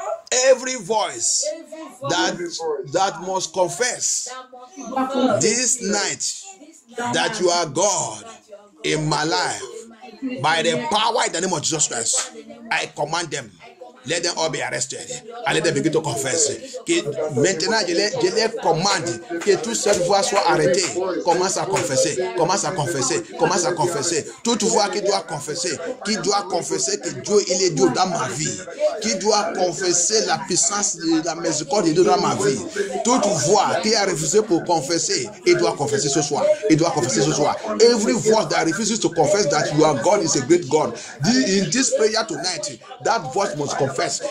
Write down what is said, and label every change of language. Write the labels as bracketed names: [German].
[English] Every voice that must confess this night that you are God in my life, by the power in the name of Jesus Christ, I command them Let them all be arrested. I let them begin to confess. [French] Que maintenant, je les commande que toute cette voix soit arrêtée. Commence à confesser. Commence à confesser. Commence à confesser. Toute voix qui doit confesser. Qui doit confesser que Dieu, il est Dieu dans ma vie. Qui doit confesser la puissance de la miséricorde de Dieu dans ma vie. Toute voix qui a refusé pour confesser, il doit confesser ce soir. Il doit confesser ce soir. [English] Every voice that refuses to confess that your God is a great God. In this prayer tonight, that voice must confess.